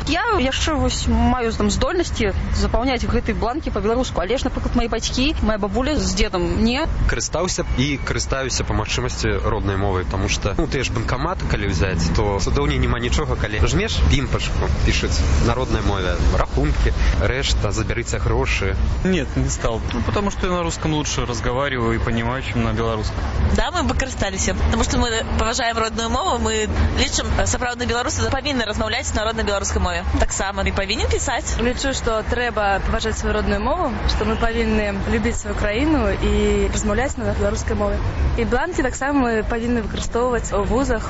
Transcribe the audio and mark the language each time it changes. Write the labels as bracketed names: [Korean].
[Belarusian] Я яшчэ вось маю там здольнасці запаўняць гэтыя бланкі па-беларуску, але ж, напрыклад, мае бацькі, мая бабуля з дзедам не карыстаўся і карыстаюся па магчымасці роднай мовай, таму што, ну, тыя ж банкаматы, калі ўзяць, то цудоўні няма нічога, калі жмеш пімпачку, пішуць на роднай мове, рахункі, рэшта, забярыце грошы. [Russian] Нет, не стал. Ну, потому что я на русском лучше разговариваю и понимаю, чем на беларускай. [Belarusian] Да, мы бы карысталіся, таму што мы паважаем родную мову. Мы лічым, сапраўдны беларусы павінны размаўляць на роднай беларускай мове. Таксама і павінны пісаць. Лічу, што трэба паважаць сваю родную мову, што мы павінны любіць сваю краіну і размаўляць на беларускай мове. І бланкі таксама мы павінны выкарыстоўваць у вузах.